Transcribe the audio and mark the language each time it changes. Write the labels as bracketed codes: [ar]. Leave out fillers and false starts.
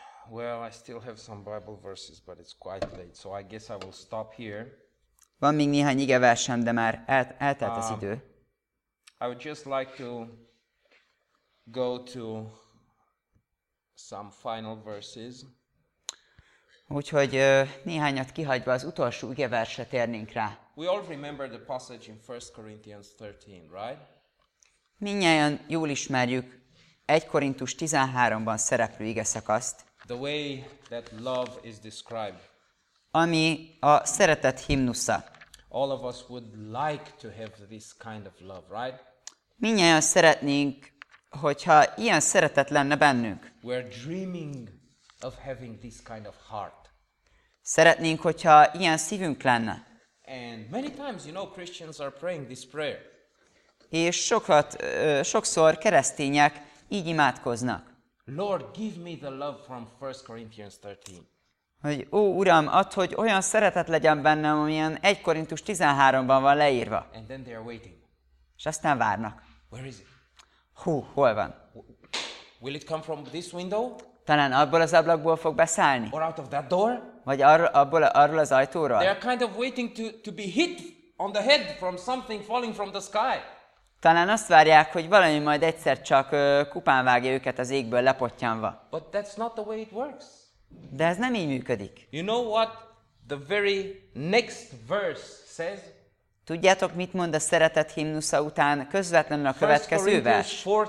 [en] Well, I still have some Bible verses, but it's quite late, so I guess I will stop here. [hu] Van még néhány ige versem, de már eltelt az idő. [en] I would just like to go to some final verses. [hu] Úgyhogy néhányat kihagyva az utolsó ige versre térnénk rá. [en] We all remember the passage in 1 Corinthians 13, right? [hu] Mindnyájan jól ismerjük 1 Korintus 13-ban szereplő ige szakaszt. [en] The way that love is described. [hu] Ami a szeretet himnusza. [en] All of us would like to have this kind of love, right? [hu] Mindnyájan szeretnénk, hogyha ilyen szeretet lenne bennünk. [en] We're dreaming of having this kind of heart. [hu] Szeretnénk, hogyha ilyen szívünk lenne. [en] And many times, you know, Christians are praying this prayer. [hu] És sokszor keresztények így imádkoznak. [en] Lord, give me the love from 1 Corinthians 13. [hu] Hogy ó, Uram, add, hogy olyan szeretet legyen bennem, amilyen 1 Korintus 13-ban van leírva. [en] And then they are waiting. [hu] És aztán várnak. [en] Where is it? [hu] Hú, hol van? [en] Will it come from this window? [hu] Talán abból az ablakból fog beszállni? [en] Or out of that door? [hu] Vagy arról az ajtóról? [en] They are kind of waiting to be hit on the head from something falling from the sky. [hu] Talán azt várják, hogy valami majd egyszer csak kupán vágja őket az égből lepottyanva. [en] But that's not the way it works. [hu] De ez nem így működik. [en] You know what the very next verse says? [hu] Tudjátok, mit mond a szeretet himnusza után közvetlenül a következő vers?